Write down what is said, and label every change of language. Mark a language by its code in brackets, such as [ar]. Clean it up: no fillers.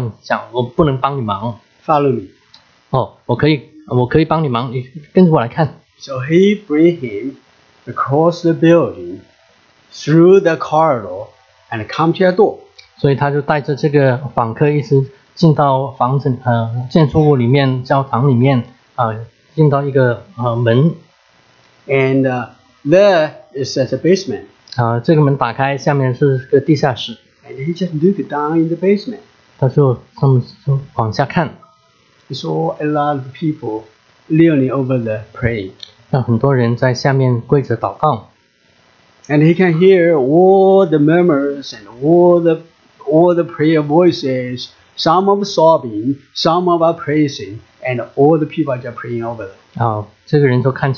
[zh] 那个牧师说，如果你想这样讲，我不能帮你忙。 [en] Follow me. [zh] 哦，我可以帮你忙，你跟着我来看。 [en] So he bring him across the building, through the corridor, and come to a door. [zh] 所以他就带着这个访客一直进到房子，建筑物里面，教堂里面。进到一个门 [en] and there is at the basement. [zh] 这个门打开，下面是个地下室。 [en] And he just looked down in the basement. [zh] 他就往下看。 [en] He saw a lot of people kneeling over the praying. [zh] 让很多人在下面跪着祷告。 [en] And he can hear all the murmurs and all the prayer voices, some of sobbing, some of praising. And all the people are just praying over them.